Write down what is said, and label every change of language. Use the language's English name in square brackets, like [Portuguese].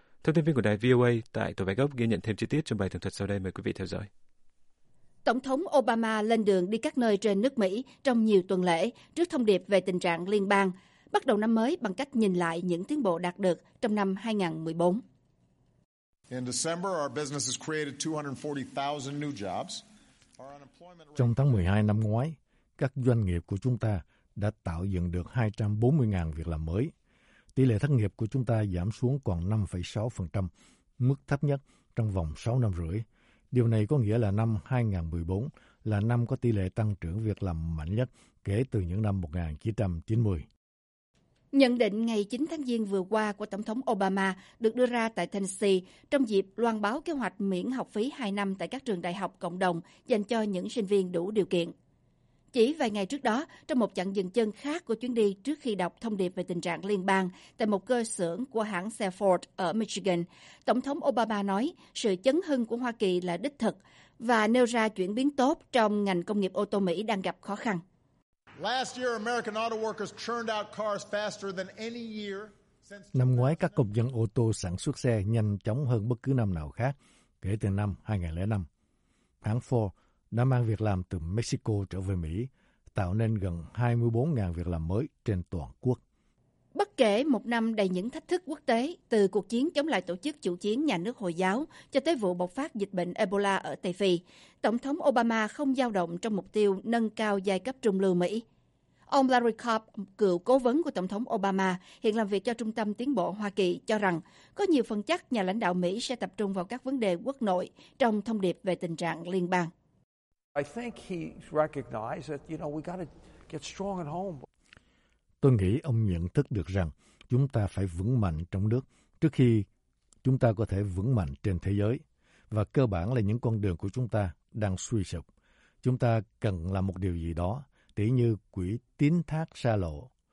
[Vietnamese] Thông tin viên của đài VOA tại Tổ Bài Gốc ghi nhận thêm chi tiết trong bài tường thuật sau đây. Mời quý vị theo dõi. Tổng thống Obama lên đường đi các nơi trên nước Mỹ trong nhiều tuần lễ trước thông điệp về tình trạng liên bang, bắt đầu năm mới bằng cách nhìn lại những tiến bộ đạt được trong năm 2014. [English] In December, our business has created 240,000 new jobs. [Vietnamese] Trong tháng 12 năm ngoái, các doanh nghiệp của chúng ta đã tạo dựng được 240,000 việc làm mới. Tỷ lệ thất nghiệp của chúng ta giảm xuống còn 5,6%, mức thấp nhất trong vòng 6 năm rưỡi. Điều này có nghĩa là năm 2014 là năm có tỷ lệ tăng trưởng việc làm mạnh nhất kể từ những năm 1990. Nhận định ngày 9 tháng Giêng vừa qua của Tổng thống Obama được đưa ra tại Tennessee trong dịp loan báo kế hoạch miễn học phí 2 năm tại các trường đại học cộng đồng dành cho những sinh viên đủ điều kiện. Chỉ vài ngày trước đó, trong một chặng dừng chân khác của chuyến đi trước khi đọc thông điệp về tình trạng liên bang tại một cơ xưởng của hãng xe Ford ở Michigan, Tổng thống Obama nói sự chấn hưng của Hoa Kỳ là đích thực và nêu ra chuyển biến tốt trong ngành công nghiệp ô tô Mỹ đang gặp khó khăn. [English] Last year, American auto workers churned out cars faster than any year since. [Vietnamese] Năm ngoái, các công nhân ô tô sản xuất xe nhanh chóng hơn bất cứ năm nào khác kể từ năm 2005. Hãng Ford đã mang việc làm từ Mexico trở về Mỹ, tạo nên gần 24,000 việc làm mới trên toàn quốc. Bất kể một năm đầy những thách thức quốc tế, từ cuộc chiến chống lại tổ chức chủ chiến nhà nước Hồi giáo cho tới vụ bộc phát dịch bệnh Ebola ở Tây Phi, Tổng thống Obama không dao động trong mục tiêu nâng cao giai cấp trung lưu Mỹ. Ông Larry Karp, cựu cố vấn của Tổng thống Obama, hiện làm việc cho Trung tâm Tiến bộ Hoa Kỳ, cho rằng có nhiều phần chắc nhà lãnh đạo Mỹ sẽ tập trung vào các vấn đề quốc nội trong thông điệp về tình trạng liên bang. [English] I think he recognized that, you know, we got to get strong at home. [Vietnamese] Tôi nghĩ ông nhận thức được rằng chúng ta phải vững mạnh trong nước trước khi chúng ta có thể vững mạnh trên thế giới, và cơ bản là những con đường của chúng ta đang suy sụp. Chúng ta cần làm một điều gì đó, tỉ như quỹ tín thác xa lộ.